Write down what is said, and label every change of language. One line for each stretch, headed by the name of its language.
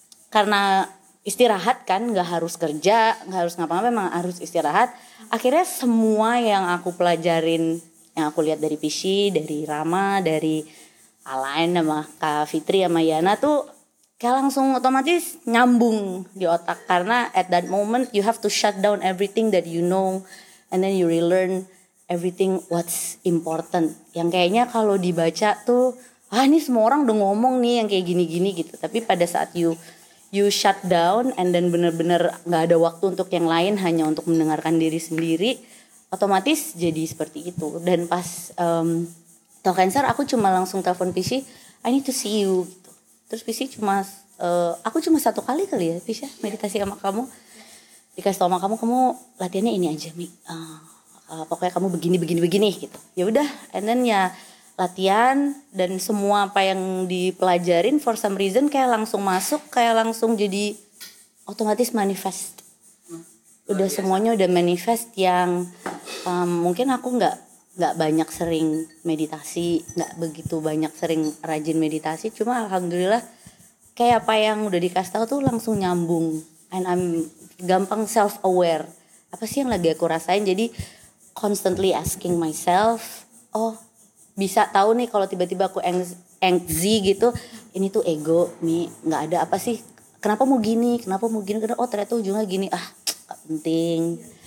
Indonesian: Karena istirahat kan, gak harus kerja, gak harus ngapa-ngapa, emang harus istirahat. Akhirnya semua yang aku pelajarin, yang aku lihat dari Pishi, dari Rama, dari Alain, sama Kak Fitri, sama Yana tuh kayak langsung otomatis nyambung di otak.
English: Karena at that moment you have to shut down everything that you know and then you relearn everything what's important.
Indonesian: Yang kayaknya kalau dibaca tuh, ah ini semua orang udah ngomong nih yang kayak gini-gini gitu. Tapi pada saat
English: you shut down and then
Indonesian: benar-benar gak ada waktu untuk yang lain, hanya untuk mendengarkan diri sendiri, otomatis jadi seperti itu. Dan pas tau cancer, aku cuma langsung telepon PC,
English: I need to see you
Indonesian: gitu. Terus PC cuma aku cuma satu kali ya PC meditasi sama kamu, dikasih tau sama kamu, kamu latihannya ini aja Mi, pokoknya kamu begini gitu. Ya udah,
English: and then
Indonesian: ya latihan dan semua apa yang dipelajarin
English: for some reason
Indonesian: kayak langsung masuk, kayak langsung jadi otomatis manifest. Udah semuanya udah manifest yang mungkin aku gak banyak sering meditasi, gak begitu banyak sering rajin meditasi. Cuma alhamdulillah kayak apa yang udah dikasih tahu tuh langsung nyambung.
English: And I'm
Indonesian: gampang
English: self-aware.
Indonesian: Apa sih yang lagi aku rasain? Jadi
English: constantly asking myself,
Indonesian: oh bisa tahu nih kalau tiba-tiba aku anxiety gitu, ini tuh ego nih, nggak ada apa sih, kenapa mau gini, oh ternyata ujungnya gini, ah gak penting.